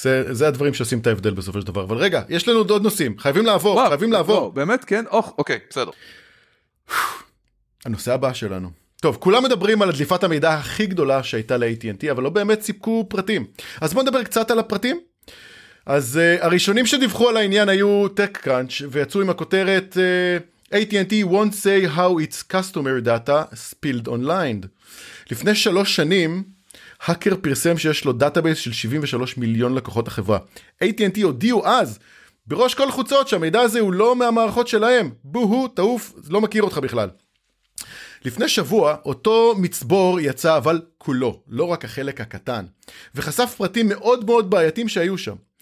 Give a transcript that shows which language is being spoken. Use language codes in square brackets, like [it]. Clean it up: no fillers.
[he] זה הדברים שעושים את ההבדל בסופו של דבר, אבל רגע, יש לנו עוד נושאים, חייבים לעבור. באמת, כן, אוקיי, בסדר. הנושא הבא שלנו. טוב, כולם מדברים על הדליפת המידע הכי גדולה שהייתה ל-AT&T, אבל לא באמת סיפקו פרטים. אז בוא נדבר קצת על הפרטים. אז הראשונים שדיווחו על העניין היו TechCrunch, ויצאו עם הכותרת [en] AT&T won't say how its customer data spilled online. [he] לפני 3 שנים, הקר פרסם שיש לו דאטאבייס של 73 מיליון לקוחות החברה. AT&T הודיעו אז, בראש כל חוצות, שהמידע הזה הוא לא מהמערכות שלהם. בוהו, תעוף, לא מכיר אותך בכלל. לפני שבוע, אותו מצבור יצא אבל כולו, לא רק החלק הקטן, וחשף פרטים מאוד מאוד בעייתים שהיו שם.